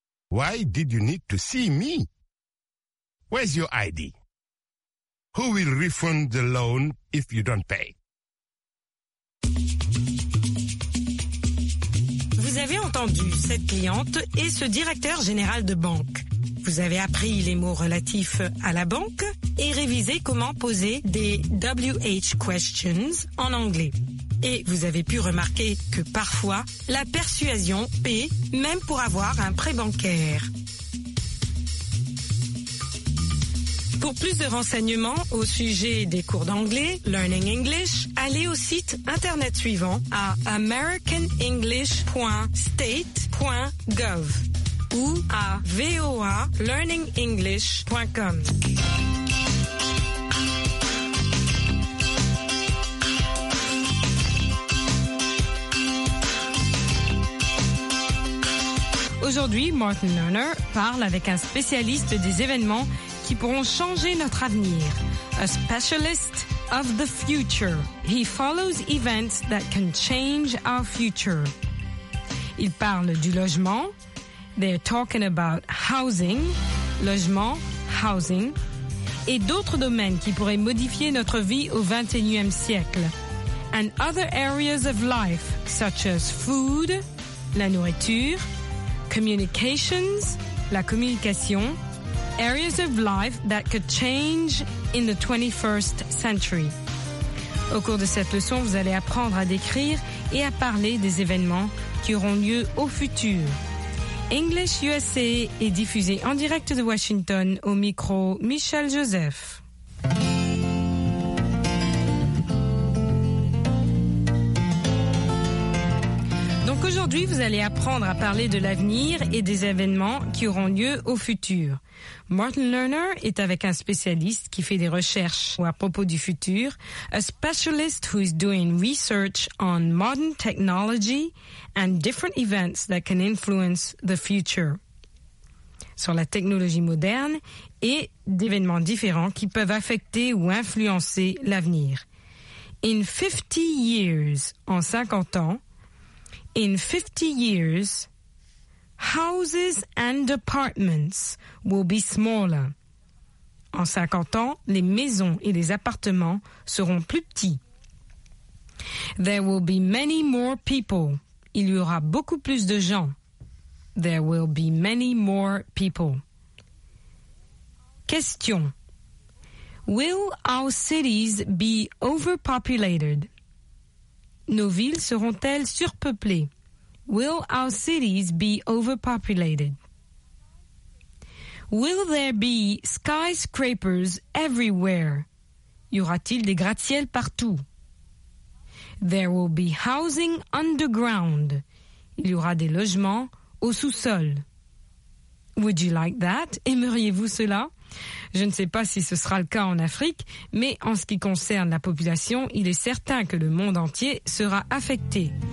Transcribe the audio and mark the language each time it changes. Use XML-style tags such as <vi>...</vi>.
<en>Why did you need to see me? Where's your ID? Who will refund the loan if you don't pay?</en> <fr>Vous avez entendu cette cliente et ce directeur général de banque. Vous avez appris les mots relatifs à la banque et révisé comment poser des WH questions en anglais. Et vous avez pu remarquer que parfois, la persuasion paie même pour avoir un prêt bancaire. Pour plus de renseignements au sujet des cours d'anglais, Learning English, allez au site internet suivant à americanenglish.state.gov ou à voalearningenglish.com. Aujourd'hui, Martin Lerner parle avec un spécialiste des événements qui pourront changer notre avenir.</fr> <en>A specialist of the future. He follows events that can change our future.</en> <fr>Il parle du logement. They're talking about housing. Logement, housing. Et d'autres domaines qui pourraient modifier notre vie au 21e siècle.</fr> <en>And other areas of life, such as food, la nourriture, communications, la communication, areas of life that could change in the 21st century.</en> <fr>Au cours de cette leçon, vous allez apprendre à décrire et à parler des événements qui auront lieu au futur. English USA est diffusé en direct de Washington au micro Michel Joseph. Donc aujourd'hui, vous allez apprendre à parler de l'avenir et des événements qui auront lieu au futur.</fr> <en>Martin Lerner est avec un spécialiste qui fait des recherches à propos du futur, a specialist who is doing research on modern technology and different events that can influence the future.</en> <fr>Sur la technologie moderne et d'événements différents qui peuvent affecter ou influencer l'avenir.</fr> <en>In 50 years, en 50 ans, in 50 years, houses and apartments will be smaller.</en> <fr>En 50 ans, les maisons et les appartements seront plus petits.</fr> <en>There will be many more people.</en> <fr>Il y aura beaucoup plus de gens.</fr> <en>There will be many more people. Question. Will our cities be overpopulated?</en> <fr>Nos villes seront-elles surpeuplées?</fr> <en>Will our cities be overpopulated? Will there be skyscrapers everywhere?</en> <fr>Y aura-t-il des gratte-ciel partout?</fr> <en>There will be housing underground.</en> <fr>Il y aura des logements au sous-sol. Would you like that? Aimeriez-vous cela? Je ne sais pas si ce sera le cas en Afrique, mais en ce qui concerne la population, il est certain que le monde entier sera affecté.</fr>